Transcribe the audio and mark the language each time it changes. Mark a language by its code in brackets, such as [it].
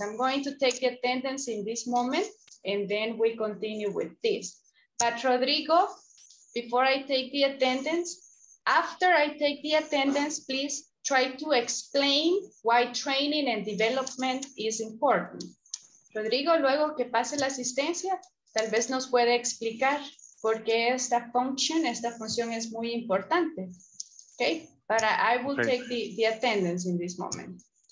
[en] I'm going to take the attendance in this moment, and then we continue with this. But Rodrigo, before I take the attendance, after I take the attendance, please try to explain why training and development is important. [es] Rodrigo, luego que pase la asistencia, tal vez nos puede explicar por qué esta función es muy importante. [en] Okay, but I will take the attendance in this moment.